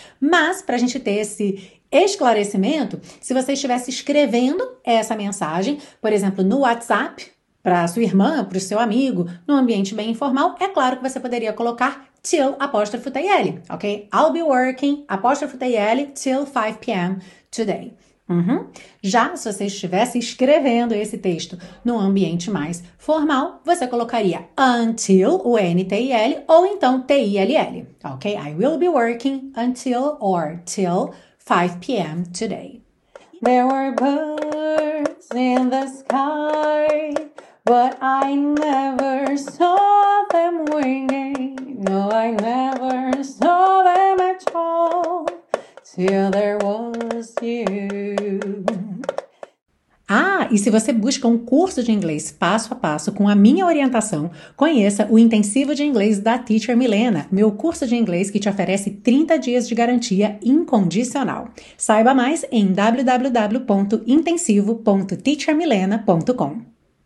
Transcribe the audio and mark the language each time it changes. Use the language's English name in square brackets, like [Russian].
[Portuguese] Mas para a gente ter esse esclarecimento, se você estivesse escrevendo essa mensagem, por exemplo, no WhatsApp, para sua irmã, para o seu amigo, num ambiente bem informal, é claro que você poderia colocar till apóstrofo T-I-L, ok? [English] I'll be working apóstrofo T-I-L till 5 p.m. today. Uhum. [Portuguese] Já se você estivesse escrevendo esse texto num ambiente mais formal, você colocaria until, o N-T-I-L, ou então T-I-L-L, ok? [English] I will be working until or till 5 p.m. today. There were birds in the sky, but I never saw them winging. No, I never saw them at all, till there was you. [Portuguese] Ah, e se você busca um curso de inglês passo a passo com a minha orientação, conheça o Intensivo de Inglês da Teacher Milena, meu curso de inglês que te oferece 30 dias de garantia incondicional. Saiba mais em www.intensivo.teachermilena.com.